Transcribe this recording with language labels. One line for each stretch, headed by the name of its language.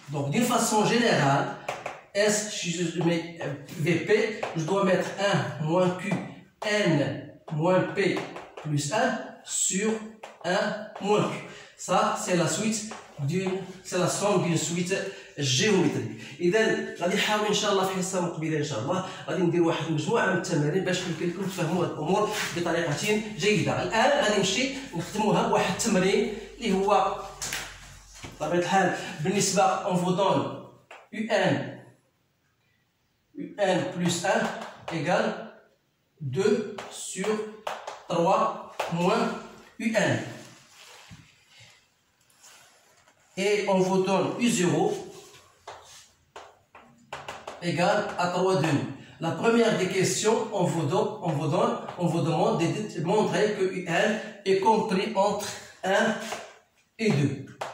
French: Donc d'une façon générale, S, si je mets VP, je dois mettre 1 moins Q, N moins P plus 1 sur 1 moins Q. Ça, c'est la suite d'une, c'est la somme d'une suite géométrique.
Arabic: إذن غادي نحاول إن شاء الله في حصة مقبلة إن شاء الله غادي ندير واحد مجموعة من التمارين باش نخليكم تفهموا هاد الأمور بطريقة جيدة. الآن غادي نمشي نخدموها بواحد التمرين اللي هو بطبيعة الحال بالنسبة أون فو دون
French: UN UN plus 1 égale 2 sur 3 moins UN. Et on vous donne U0 égale à 3 demi. La première des questions, on vous demande de montrer que UN est compris entre 1 et 2.